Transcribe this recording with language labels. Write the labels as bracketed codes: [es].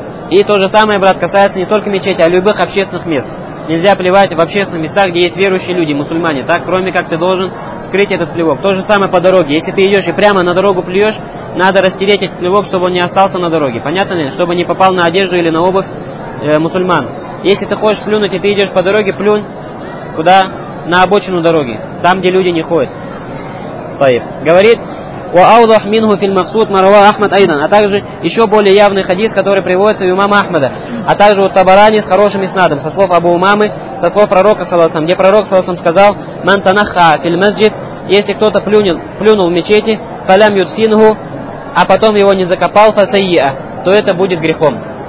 [ru] И то же самое, брат, касается не только мечети, а любых общественных мест. Нельзя плевать в общественных местах, где есть верующие люди, мусульмане, так, кроме как ты должен скрыть этот плевок. То же самое по дороге. Если ты идешь и прямо на дорогу плюешь, надо растереть этот плевок, чтобы он не остался на дороге. Понятно ли? Чтобы не попал на одежду или на обувь мусульман. Если ты хочешь плюнуть, и ты идешь по дороге, плюнь куда? На обочину дороги, там, где люди не ходят. [ar] طيب. [ru] Говорит, [ar] وأوضح منه في المقصود ما رواه أحمد أيضا. [ru] А также еще более явный хадис, который приводится у имама Ахмада, а также у Табарани с хорошим иснадом, со слов Абу Умамы, со слов пророка саласам, где пророк саласам сказал, [ar] من تنخى في المسجد, [ru] если кто-то плюнул в мечети, [ar] فلم يدفنه, [ru] а потом его не закопал, [ar] فسيئة, [ru] то это будет грехом.